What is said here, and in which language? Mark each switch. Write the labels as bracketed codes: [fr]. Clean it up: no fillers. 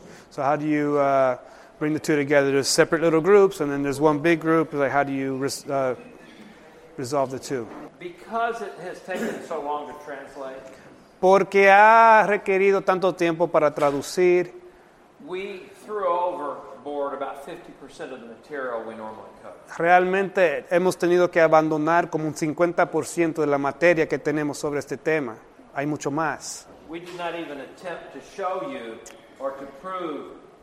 [en] So how do you bring the two together? There's separate little groups, and then there's one big group. Like, how do you resolve the two? Because it has taken so long to translate. [es] Porque ha requerido tanto tiempo para traducir. [en] We threw over. Board about 50% of the material we normally cover. [es] Realmente hemos tenido que abandonar como un 50% de la materia que tenemos sobre este tema. Hay mucho más. [en] We did not even attempt to show you or to prove